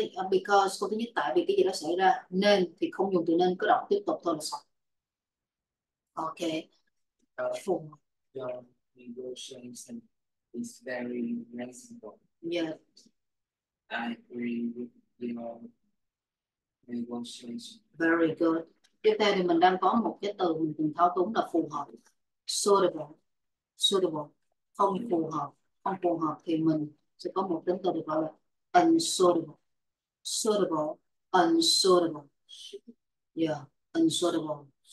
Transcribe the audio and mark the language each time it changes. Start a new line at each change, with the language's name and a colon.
Vietnamese: Because có thứ nhất tại vì cái gì đó xảy ra nên thì không dùng từ nên, cứ đọc tiếp tục thôi là xong. Ok. Phùng.
English: Your negotiation is very reasonable. Yeah. I agree with your negotiation. Very good.
Vietnamese: Tiếp theo thì mình đang có một cái từ mình cần thao túng là phù hợp. Suitable. Suitable. Không phù hợp. Không phù hợp thì mình sẽ có một tính từ được gọi là unsuitable.
English: Suitable. Unsuitable. Yeah. Unsuitable.